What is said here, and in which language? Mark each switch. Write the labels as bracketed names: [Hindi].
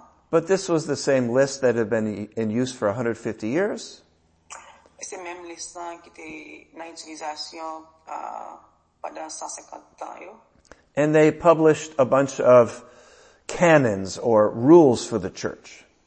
[English] But this was the same list that had been in use for 150 years. [French] C'est même liste qui était en utilisation pendant 150 ans. [English] And they published a bunch of canons or rules for the church.